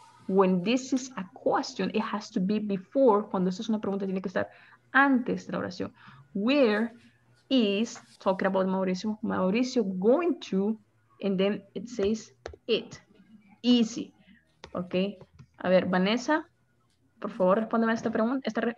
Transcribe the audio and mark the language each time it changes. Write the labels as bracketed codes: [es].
[en] When this is a question, it has to be before. [es] Cuando esto es una pregunta, tiene que estar antes de la oración. [en] Where is, talking about Mauricio, Mauricio going to, and then it says it. Easy. Okay. [es] A ver, Vanessa, por favor, respóndeme esta pregunta.